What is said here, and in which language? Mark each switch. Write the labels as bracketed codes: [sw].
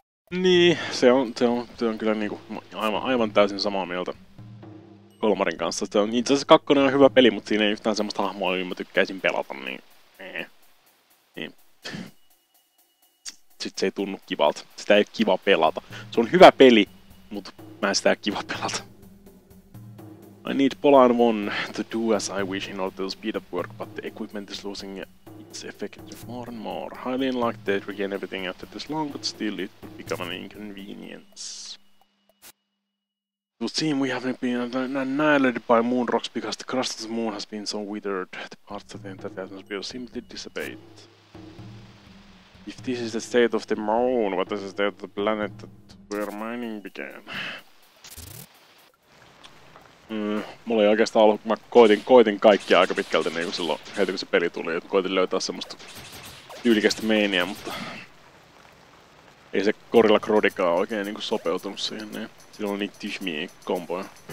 [fi] Niin, se on kyllä niinku aivan täysin samaa mieltä Kolmarin kanssa. Se on itse asiassa kakkonen on hyvä peli, mutta siinä ei yhtään semmoista hahmoa, mitä mä tykkäisin pelata, niin. Sitten se ei tunnu kivalta. Sitä ei ole kiva pelata. Se on hyvä peli, mutta mä en sitä ole kiva pelata. [en] I need Polar One to do as I wish in order to speed up work, but the equipment is losing its effectiveness more and more. Highly unlikely to regain everything after this long, but still it will become an inconvenience. It would seem we haven't been annihilated by moon rocks because the crust of the moon has been so withered, the parts of the entire atmosphere simply dissipate. If this is the state of the moon, what is the state of the planet that where mining began? [fi] Mulla ei oikeastaan ollut, mä koitin kaikkia aika pitkälti niinku silloin, heti kun se peli tuli, että koitin löytää semmoista tyylikästä meiniä, mutta ei se Gorilla Grodikaan oikein niinku sopeutunut siihen, niin silloin on niin tyhmiä komboja.